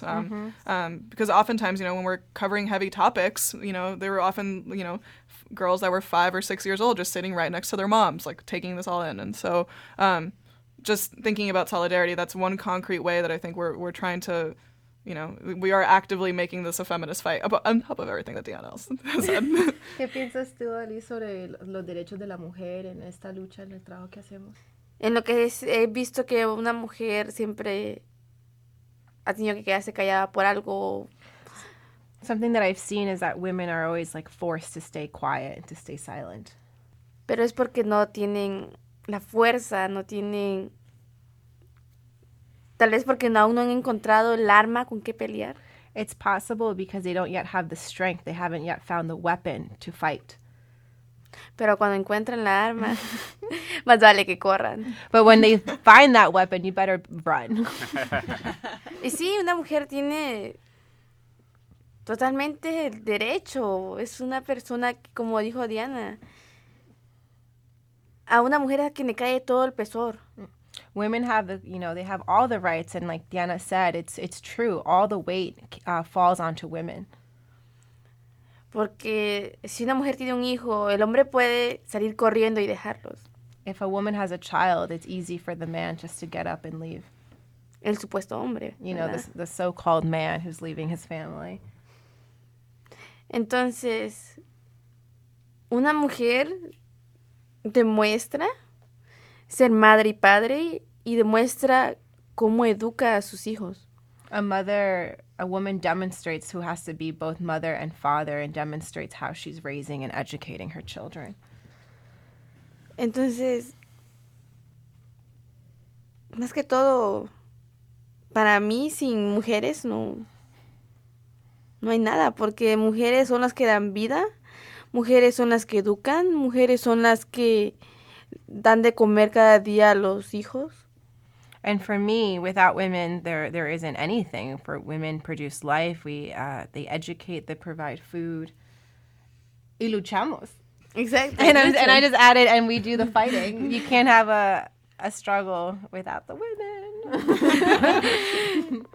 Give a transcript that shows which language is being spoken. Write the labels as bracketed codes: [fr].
[en] Because oftentimes, you know, when we're covering heavy topics, you know, there were often, you know, girls that were 5 or 6 years old just sitting right next to their moms, like taking this all in. And so just thinking about solidarity, that's one concrete way that I think we're trying to, you know, we are actively making this a feminist fight on top of everything that Diana else said. [es] ¿Qué piensas tú, Ali, sobre los derechos de la mujer en esta lucha, en el trabajo que hacemos? En lo que he visto que una mujer siempre ha tenido que quedarse callada por algo. [en] Something that I've seen is that women are always like forced to stay quiet, to stay silent. [es] Pero es porque no tienen la fuerza, no tienen. Tal vez porque aún no han encontrado el arma con qué pelear. [en] It's possible because they don't yet have the strength, they haven't yet found the weapon to fight. [es] Pero cuando encuentren la arma, más vale que corran. [en] But when they find that weapon, you better run. [es] Y sí, una mujer tiene totalmente el derecho. Es una persona, que, como dijo Diana, a una mujer es a quien le cae todo el pesor. [en] Women have, you know, they have all the rights. And like Diana said, it's true. All the weight falls onto women. [es] Porque si una mujer tiene un hijo, el hombre puede salir corriendo y dejarlos. [en] If a woman has a child, it's easy for the man just to get up and leave. [es] El supuesto hombre. [en] You ¿verdad? Know, the so-called man who's leaving his family. [es] Entonces, una mujer demuestra ser madre y padre y demuestra cómo educa a sus hijos. [en] A woman demonstrates who has to be both mother and father and demonstrates how she's raising and educating her children. [es] Entonces, más que todo, para mí, sin mujeres, no hay nada, porque mujeres son las que dan vida, mujeres son las que educan, mujeres son las que dan de comer cada día a los hijos. [en] And for me, without women, there isn't anything. For women produce life, they educate, they provide food. [es] Y luchamos. [en] Exactly. And I just added, and we do the fighting. You can't have a struggle without the women.